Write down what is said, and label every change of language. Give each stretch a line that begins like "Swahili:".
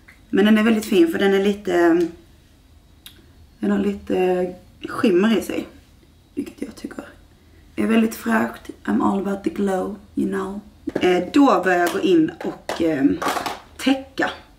Swedish: Men den är väldigt fin för den är lite, den har lite skimmer i sig. Vilket jag tycker är väldigt fräckt.
English: I'm all about the glow, you know.
Swedish: Då börjar jag gå in och täcka.